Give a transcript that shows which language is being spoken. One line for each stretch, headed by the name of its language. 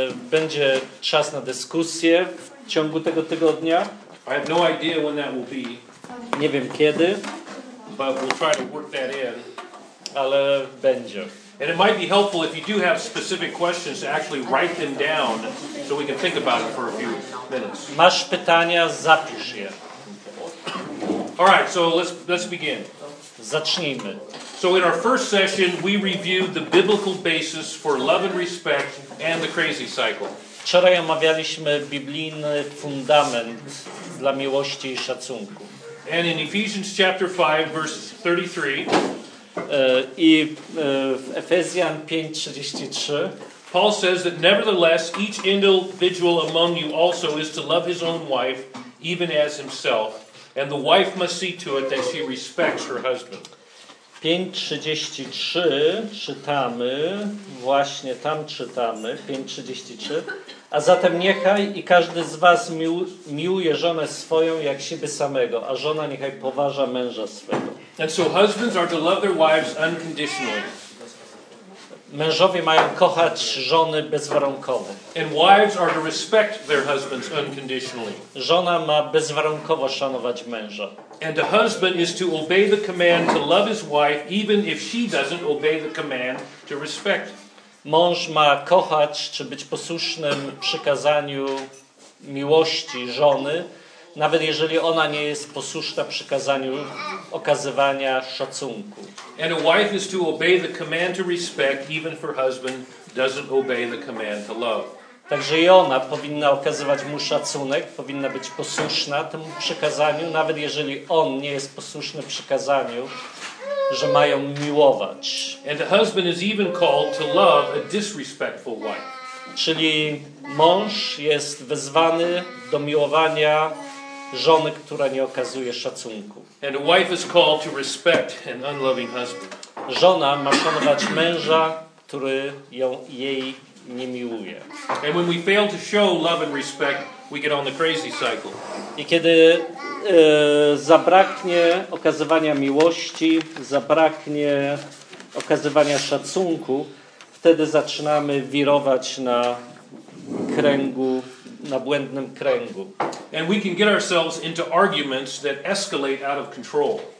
Polish: Będzie czas na dyskusję w ciągu tego tygodnia.
English: I have no idea when that will be.
Polish: Nie wiem kiedy.
English: But we'll try to work that in.
Polish: Ale będzie.
English: And it might be helpful if you do have specific questions to actually write them down so we can think about it for a few minutes.
Polish: Masz pytania, zapisz je.
English: All right, so let's begin.
Polish: Zacznijmy.
English: So in our first session we reviewed the biblical basis for love and respect and the crazy cycle.
Polish: Wczoraj omawialiśmy biblijny fundament dla miłości i szacunku.
English: And in Ephesians chapter 5 verse
Polish: 33 w Efezjan 5:33
English: Paul says that nevertheless each individual among you also is to love his own wife even as himself. And the wife must see to it that she respects her husband.
Polish: 5:33 czytamy, właśnie tam czytamy, 5:33. A zatem niechaj i każdy z was miłuje żonę swoją jak siebie samego, a żona niechaj poważa męża swego.
English: And so husbands are to love their wives unconditionally.
Polish: Mężowie mają kochać żony bezwarunkowo.
English: And wives are to respect their husbands unconditionally.
Polish: Żona ma bezwarunkowo szanować męża.
English: And a husband is to obey the command to love his wife even if she doesn't obey the command to respect.
Polish: Mąż ma kochać czy być posłusznym przykazaniu miłości żony, nawet jeżeli ona nie jest posłuszna przykazaniu okazywania szacunku.
English: And a wife is to obey the command to respect even if her husband doesn't obey the command to love.
Polish: Także i ona powinna okazywać mu szacunek, powinna być posłuszna temu przykazaniu, nawet jeżeli on nie jest posłuszny przykazaniu, że mają miłować.
English: And a husband is even called to love a disrespectful wife.
Polish: Czyli mąż jest wezwany do miłowania żony, która nie okazuje szacunku.
English: And a wife is called to respect an unloving husband.
Polish: Żona ma szanować męża, który ją jej nie miłuje.
English: And when we fail to show love and respect, we get on the crazy cycle.
Polish: I kiedy zabraknie okazywania miłości, zabraknie okazywania szacunku, wtedy zaczynamy wirować na kręgu, na błędnym kręgu.
English: And we can get ourselves into arguments that escalate out of control.